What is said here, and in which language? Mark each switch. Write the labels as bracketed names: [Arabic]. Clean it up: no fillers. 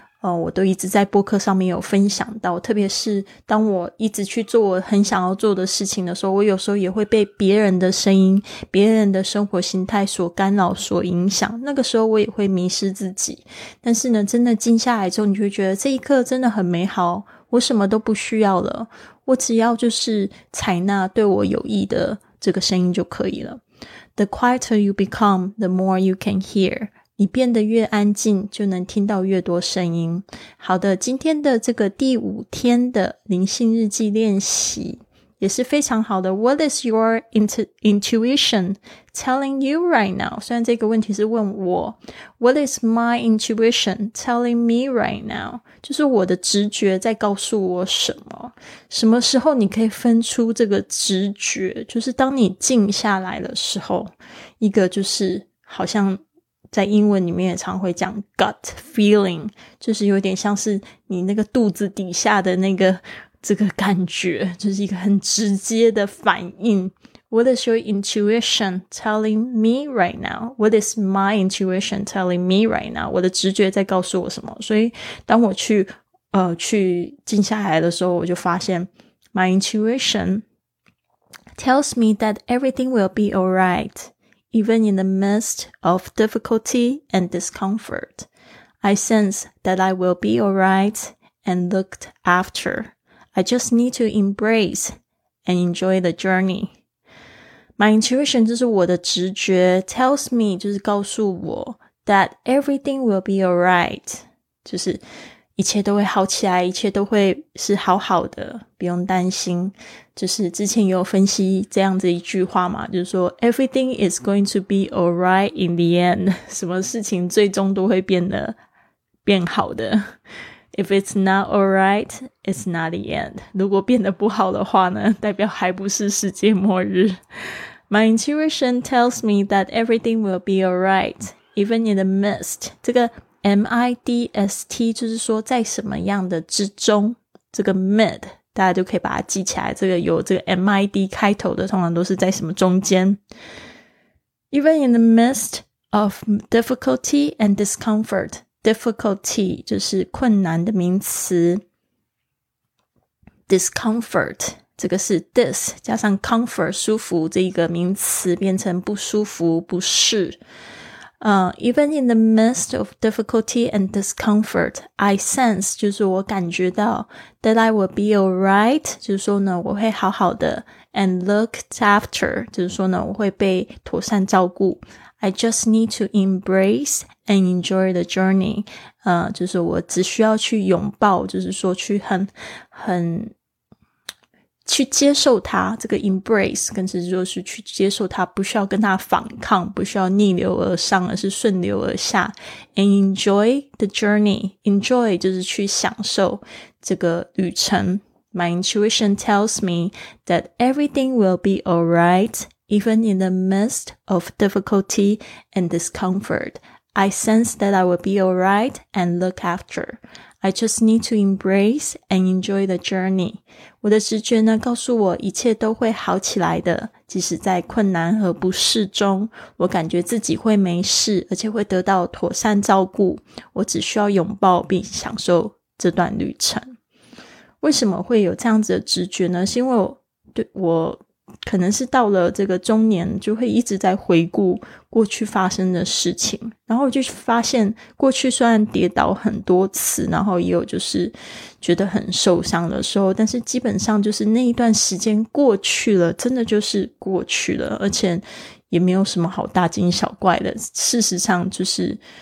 [Chinese] 我都一直在播客上面有分享到，特别是当我一直去做我很想要做的事情的时候，我有时候也会被别人的声音、别人的生活形态所干扰、所影响，那个时候我也会迷失自己。但是呢，真的静下来之后，你就会觉得这一刻真的很美好，我什么都不需要了，我只要就是采纳对我有益的这个声音就可以了。 [English] The quieter you become, the more you can hear. [Chinese] 你变得越安静，就能听到越多声音。好的，今天的这个第五天的灵性日记练习也是非常好的。 [English] What is your intuition telling you right now? [Chinese] 虽然这个问题是问我。 [English] What is my intuition telling me right now? [Chinese] 就是我的直觉在告诉我什么。什么时候你可以分出这个直觉？就是当你静下来的时候，一个就是好像在英文里面也常会讲 gut feeling, 就是有点像是你那个肚子底下的那个这个感觉，就是一个很直接的反应。 [English] What is your intuition telling me right now? What is my intuition telling me right now? [Chinese] 我的直觉在告诉我什么？所以当我去静下来的时候，我就发现 [English] My intuition tells me that everything will be alrightEven in the midst of difficulty and discomfort, I sense that I will be alright and looked after. I just need to embrace and enjoy the journey. My intuition, [Chinese] 就是我的直觉 [English] tells me, [Chinese] 就是告诉我 [English] that everything will be alright, [Chinese] 就是一切都会好起来，一切都会是好好的，不用担心。就是之前有分析这样子一句话嘛，就是说 [English] Everything is going to be alright in the end. [Chinese] 什么事情最终都会变好的。 [English] If it's not alright, it's not the end. [Chinese] 如果变得不好的话呢，代表还不是世界末日。 [English] My intuition tells me that everything will be alright, even in the midst. [Chinese] 这个M-I-D-S-T 就是说在什么样的之中，这个 mid 大家就可以把它记起来，这个有这个 M-I-D 开头的通常都是在什么中间。 [English] Even in the midst of difficulty and discomfort, [Chinese] difficulty 就是困难的名词， discomfort 这个是 dis 加上 comfort 舒服这个名词变成不舒服不适。 [English] Even in the midst of difficulty and discomfort, I sense, [Chinese] 就是我感觉到 [English] that I will be alright, [Chinese] 就是说呢我会好好的 [English] and looked after, [Chinese] 就是说呢我会被妥善照顾。 [English] I just need to embrace and enjoy the journey, [Chinese] 就是我只需要去拥抱，就是说去很去接受它，这个 embrace 更是就是去接受它，不需要跟它反抗，不需要逆流而上，而是顺流而下。 [English] And enjoy the journey, [Chinese] enjoy 就是去享受这个旅程。 [English] My intuition tells me that everything will be alright, even in the midst of difficulty and discomfort. I sense that I will be alright and look after. I just need to embrace and enjoy the journey. [Chinese] 我的直觉呢告诉我一切都会好起来的，即使在困难和不适中，我感觉自己会没事，而且会得到妥善照顾，我只需要拥抱并享受这段旅程。为什么会有这样子的直觉呢？是因为我可能是到了这个中年，就会一直在回顾过去发生的事情，然后我就发现过去虽然跌倒很多次，然后也有就是觉得很受伤的时候，但是基本上就是那一段时间过去了，真的就是过去了，而且也没有什么好大惊小怪的。事实上就是